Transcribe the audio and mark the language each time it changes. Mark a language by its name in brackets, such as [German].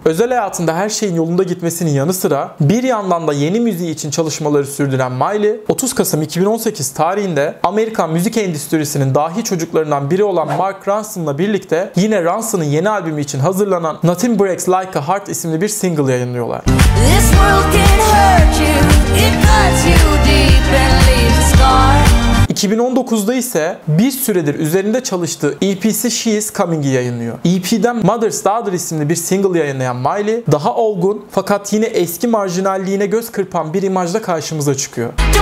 [Turkish] Özel hayatında her şeyin yolunda gitmesinin yanı sıra bir yandan da yeni müziği için çalışmaları sürdüren Miley, 30 Kasım 2018 tarihinde Amerikan müzik endüstrisinin dahi çocuklarından biri olan Mark Ronson'la birlikte yine Ronson'un yeni albümü için hazırlanan Nothing Breaks Like a Heart isimli bir single yayınlıyorlar. [English] This world can hurt you, it cuts you deep and leaves a scar. [Turkish] 2019'da ise bir süredir üzerinde çalıştığı EP'si She Is Coming'i yayınlıyor. EP'den Mother's Daughter isimli bir single yayınlayan Miley, daha olgun fakat yine eski marjinalliğine göz kırpan bir imajla karşımıza çıkıyor.